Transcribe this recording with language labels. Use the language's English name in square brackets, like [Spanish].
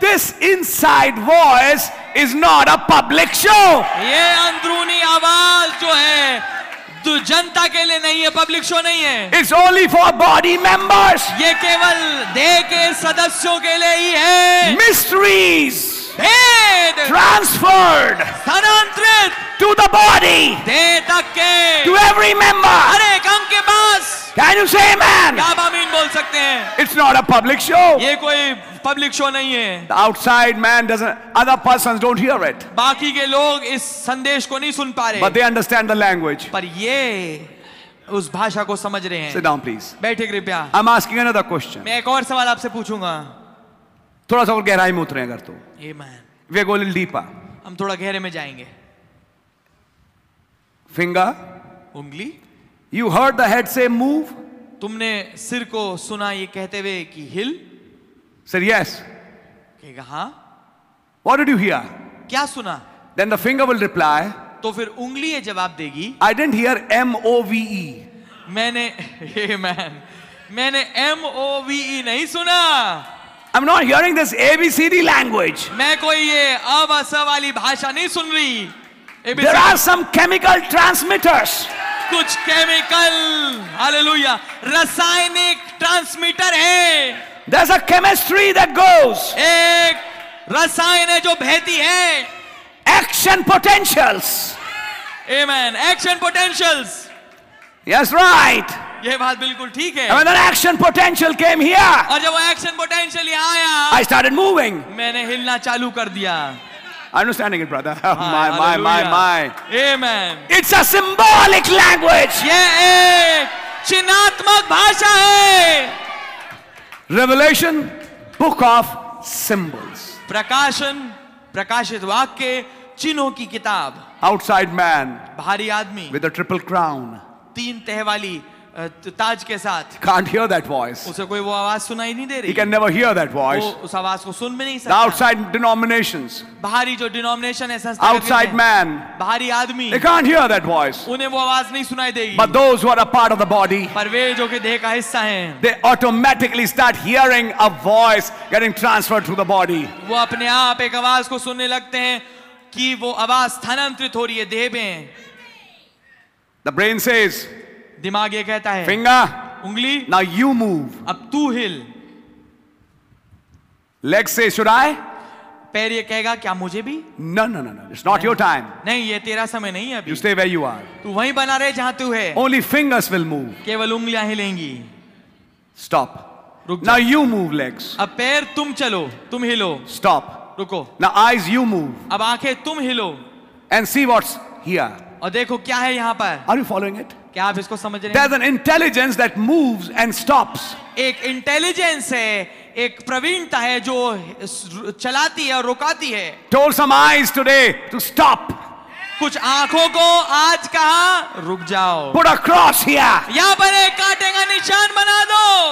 [English] this inside voice is not a public show. [Hindi] ये अंदरूनी आवाज जो है, तो जनता के लिए नहीं है, पब्लिक शो नहीं है. [English] It's only for body members. [Hindi] ये केवल देह के सदस्यों के लिए ही है. [English] Mysteries. Head transferred. [Hindi] स्थानांतरित. [English] To the body. [Hindi] देह तक के. [English] To every member. [Hindi] हर एक अंग के पास. [English] Can you say amen? [Hindi] आप आमीन बोल सकते हैं. [English] It's not a public show. [Hindi] ये कोई पब्लिक शो नहीं है. [English] The outside man doesn't, other persons don't hear it. [Hindi] बाकी के लोग इस संदेश को नहीं सुन पा रहे. [English] But they understand the language. [Hindi] पर ये उस भाषा को समझ रहे हैं. [English] Sit down please. [Hindi] बैठे कृपया. [English] I'm asking another question. [Hindi] मैं एक और सवाल आपसे पूछूंगा. थोड़ा सा और गहराई में उतरे अगर तो. Amen. [English] We go a little deeper. [Hindi] हम थोड़ा गहरे में जाएंगे. [English] Finger. [Hindi] उंगली. [English] You heard the head say move. [Hindi] तुमने सिर को सुना ये कहते हुए कि [English] hill. Sir, yes. [Hindi] कहा हाँ. [English] What did you hear? [Hindi] क्या सुना? [English] Then the finger will reply. [Hindi] तो फिर उंगली ये जवाब देगी. [English] I didn't hear move. [Hindi] मैंने amen. मैंने [English] move [Hindi] नहीं सुना. [English] I'm not hearing this ABCD language. [Hindi] मैं कोई ये आवाज़ वाली भाषा नहीं सुन रही. [English] There are some chemical transmitters. [Hindi] कुछ केमिकल. हालेलुया. रासायनिक ट्रांसमीटर है. [English] There's a chemistry that goes. [Hindi] एक रसायन है जो बहती है. [English] Action potentials. Amen. Action potentials. Yes, right. [Hindi] ये बात बिल्कुल ठीक है. [English] And when action potential came here, [Hindi] और जब वो action potential आया, [English] I started moving. [Hindi] मैंने हिलना चालू कर दिया. [English] Understanding it, brother. My. Amen. It's a symbolic language. [Hindi] ये एक चिन्हात्मक भाषा है. [English] Revelation, book of symbols. [Hindi] प्रकाशन, प्रकाशित वाक्य, चिन्हों की किताब. [English] Outside man. [Hindi] बाहरी आदमी. [English] With a triple crown. [Hindi] तीन तह वाली ताज के साथ. [English] Can't hear that voice. [Hindi] उसे कोई वो आवाज सुनाई नहीं दे रही. [English] He can never hear that voice. [Hindi] वो उस आवाज को सुन भी नहीं सकता. [English] Outside denominations. [Hindi] बाहरी जो denomination है संस्था. Outside man. बाहरी आदमी. [English] They can't hear that voice. [Hindi] उन्हें वो आवाज नहीं सुनाई देगी. [English] But those who are a part of the body. [Hindi] पर वे जो कि देह का हिस्सा हैं. [English] They automatically start hearing a voice getting transferred through the body. [Hindi] वो अपने आप एक आवाज को सुनने लगते हैं कि वो आवाज स्थानांतरित हो रही है देह में. [English] The brain says. [Hindi] दिमाग ये कहता है. [English] Finger. [Hindi] उंगली. [English] Now you move. [Hindi] अब तू हिल. [English] Leg say should I. [Hindi] पैर ये कहेगा क्या मुझे भी. [English] No no no no. It's not your time. [Hindi] नहीं ये तेरा समय नहीं है अभी. [English] You stay where you are. [Hindi] तू वहीं बना रहे जहां तू है. [English] Only fingers will move. [Hindi] केवल उंगलियां हिलेंगी. [English] Stop. [Hindi] रुक. [English] Now you move legs. [Hindi] अब पैर तुम चलो तुम हिलो. [English] Stop. [Hindi] रुको. [English] Now eyes you move. [Hindi] अब आंखें तुम हिलो. [English] And see what's here. [Hindi] और देखो क्या है यहां पर. [English] Are you following it. [Hindi] क्या आप इसको समझ रहे हैं? [English] There's an intelligence that moves and stops. [Hindi] एक इंटेलिजेंस है, एक प्रवीणता है जो चलाती है और रुकाती है. [English] Told some eyes today to stop. [Hindi] कुछ आंखों को आज कहा रुक जाओ. [English] Put a cross here. [Hindi] यहां पर एक कांटे का निशान बना दो.